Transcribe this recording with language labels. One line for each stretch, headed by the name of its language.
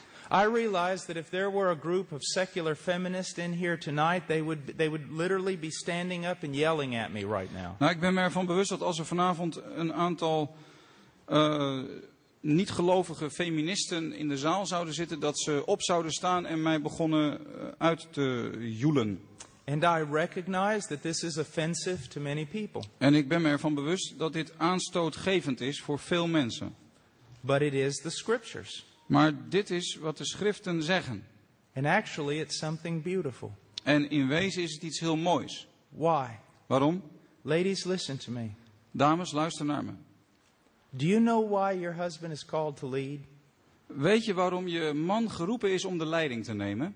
English: I realize that if there were a group of secular feminists in here tonight, they would literally be standing up and yelling at me right now.
Dutch: Nou, ik ben me ervan bewust dat als er vanavond een aantal niet gelovige feministen in de zaal zouden zitten, dat ze op zouden staan en mij begonnen uit te joelen.
English: And I recognize that this is offensive to many people.
Dutch: En ik ben me ervan bewust dat dit aanstootgevend is voor veel mensen.
English: But it is the scriptures.
Dutch: Maar dit is wat de schriften zeggen.
English: And actually it's something beautiful.
Dutch: En in wezen is het iets heel moois.
English: Why?
Dutch: Waarom?
English: Ladies, listen to me.
Dutch: Dames, luister naar me.
English: Do you know why your husband is called to lead?
Dutch: Weet je waarom je man geroepen is om de leiding te nemen?